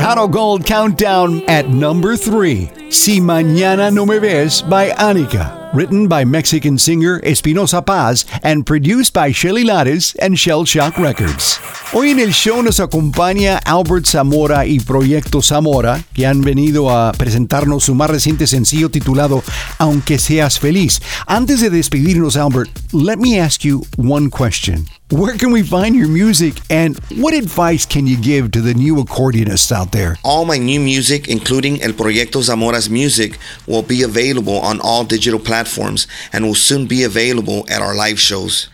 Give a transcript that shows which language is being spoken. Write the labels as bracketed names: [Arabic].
[English] Gold Countdown at number three, Si Mañana No Me Ves by Anika, written by Mexican singer Espinosa Paz and produced by Shelly Lares and Shell Shock Records. [Spanish] Hoy en el show nos acompaña Albert Zamora y Proyecto Zamora, que han venido a presentarnos su más reciente sencillo titulado Aunque Seas Feliz. Antes de despedirnos, [English] Albert, let me ask you one question. Where can we find your music, and what advice can you give to the new accordionists out there? All my new music, including El Proyecto Zamora's music, will be available on all digital platforms and will soon be available at our live shows.